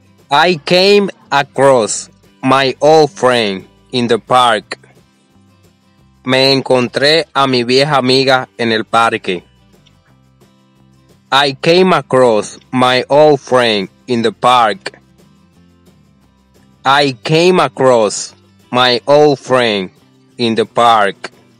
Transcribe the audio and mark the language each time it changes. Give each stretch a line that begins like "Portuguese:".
English: I came across my old friend in the park.
Spanish: Me encontré a mi vieja amiga en el parque.
English: I came across my old friend in the park. I came across my old friend in the park.